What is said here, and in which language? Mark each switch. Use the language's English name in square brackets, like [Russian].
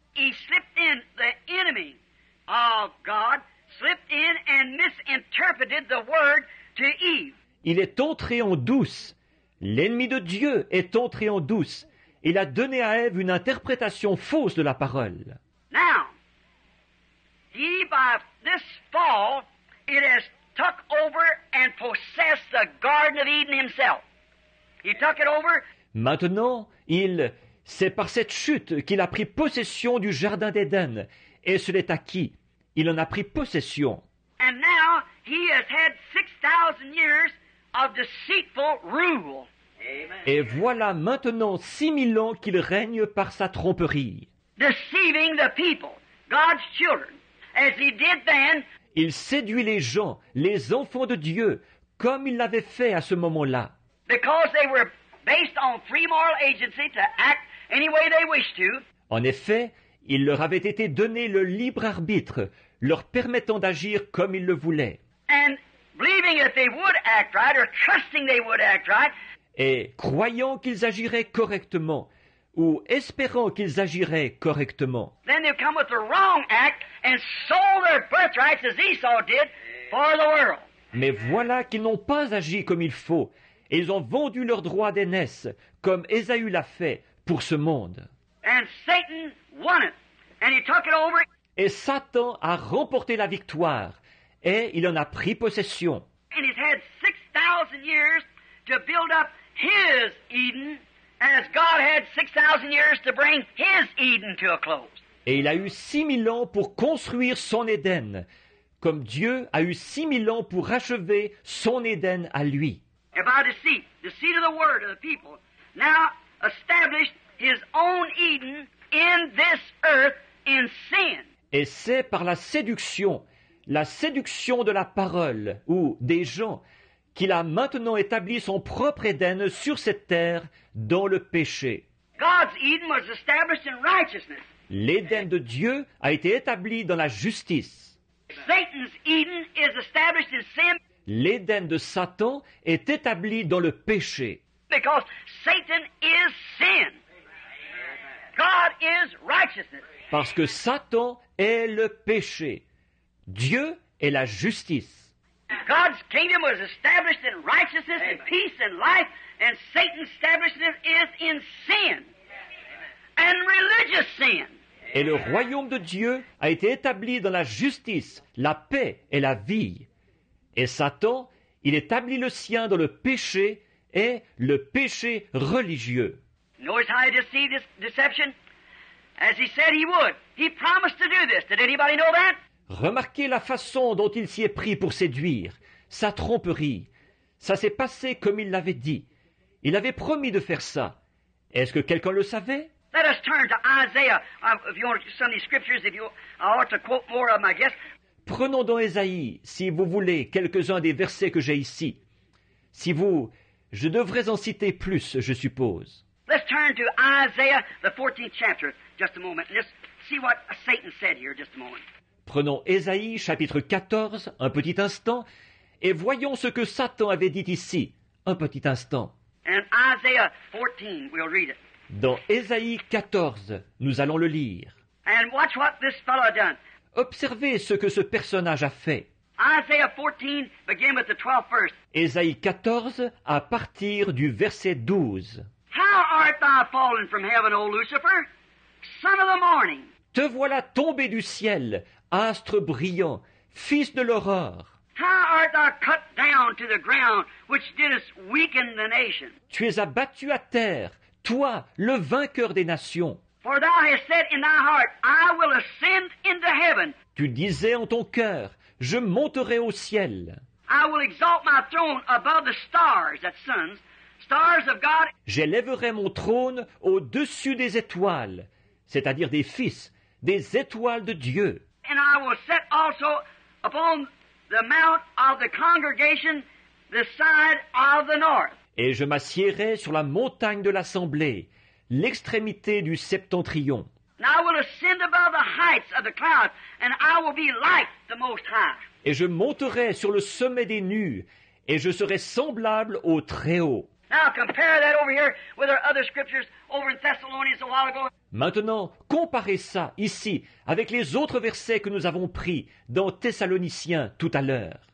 [English] He slipped in, the enemy of God slipped in and misinterpreted the word to Eve. [French] Il est entré en douce. L'ennemi de Dieu est entré en douce. Il a donné à Ève une interprétation fausse de la parole. [English] Now, he by this fall, it has took over and possessed the Garden of Eden himself. He took it over. [French] Maintenant, c'est par cette chute qu'il a pris possession du jardin d'Éden et se l'est acquis. Il en a pris possession. [English] And now he has had 6,000 years of deceitful rule. [French] Et voilà maintenant 6,000 ans qu'il règne par sa tromperie. [English] Deceiving the people, God's children, as he did then. [French] Il séduit les gens, les enfants de Dieu, comme il l'avait fait à ce moment-là. [English] Because they were based on free moral agency to act any way they wished to. [French] En effet, il leur avait été donné le libre arbitre, leur permettant d'agir comme ils le voulaient. [English] And believing that they would act right, or trusting they would act right. [French] Et croyant qu'ils agiraient correctement, ou espérant qu'ils agiraient correctement. [English] Then they come with the wrong act and sold their birthrights as Esau did for the world. [French] Mais voilà qu'ils n'ont pas agi comme il faut. Ils ont vendu leurs droits d'aînesse, comme Ésaü l'a fait, pour ce monde. [English] And Satan won it, and he took it over. [French] Et Satan a remporté la victoire, et il en a pris possession. [English] And he's had 6,000 years to build up his Eden, as God had 6,000 years to bring his Eden to a close. [French] Et il a eu 6,000 ans pour construire son Éden, comme Dieu a eu 6,000 ans pour achever son Éden à lui. [English] And by deceit, the seed of the word of the people, now established his own Eden in this earth in sin. [French] Et c'est par la séduction de la parole ou des gens, qu'il a maintenant établi son propre Éden sur cette terre dans le péché. [English] God's Eden was established in righteousness. [French] L'Éden de Dieu a été établi dans la justice. [English] Satan's Eden is established in sin. [French] L'Éden de Satan est établi dans le péché. [English] Because Satan is sin. God is righteousness. [French] Parce que Satan est le péché. Dieu est la justice. [English] God's kingdom was established in righteousness and peace and life, and Satan's establishment is in sin and religious sin. [French] Et le royaume de Dieu a été établi dans la justice, la paix et la vie. Et Satan, il établit le sien dans le péché et le péché religieux. [English] Notice how he deceived this deception? As he said he would. He promised to do this. Did anybody know that? [French] Remarquez la façon dont il s'y est pris pour séduire. Sa tromperie. Ça s'est passé comme il l'avait dit. Il avait promis de faire ça. Est-ce que quelqu'un le savait? [English] Let us turn to Isaiah. If you want Sunday scriptures, if you, I ought to quote more of them, I guess. [French] Prenons dans Ésaïe, si vous voulez, quelques-uns des versets que j'ai ici. Si vous... Je devrais en citer plus, je suppose. [English] Let's turn to Isaiah, the 14th chapter, just a moment. Let's see what Satan said here, just a moment. [French] Prenons Ésaïe, chapitre 14, un petit instant, et voyons ce que Satan avait dit ici, un petit instant. [English] And Isaiah 14, we'll read it. [French] Dans Ésaïe 14, nous allons le lire. [English] And watch what this fellow done. [French] Observez ce que ce personnage a fait. [English] Isaiah 14 began with the 12th verse. [French] Ésaïe 14, à partir du verset 12. [English] How art thou fallen from heaven, O Lucifer, son of the morning? [French] Te voilà tombé du ciel, astre brillant, fils de l'aurore. [English] How art thou cut down to the ground, which didst weaken the nation? [French] Tu es abattu à terre, toi, le vainqueur des nations. [English] For thou hast said in thy heart, I will ascend into heaven. [French] Tu disais en ton cœur, je monterai au ciel. [English] I will exalt my throne above the stars, that's suns, stars of God. [French] J'élèverai mon trône au-dessus des étoiles, c'est-à-dire des fils, des étoiles de Dieu. [English] And I will set also upon the mount of the congregation the side of the north. [French] Et je m'assiérai sur la montagne de l'assemblée, l'extrémité du septentrion. [English] And I will ascend above the heights of the clouds, and I will be like the Most High. [French] Et je monterai sur le sommet des nues, et je serai semblable au Très-Haut. [English] Now compare that over here with our other scriptures over in Thessalonians a while ago. [French] Maintenant, comparez ça ici avec les autres versets que nous avons pris dans Thessaloniciens tout à l'heure.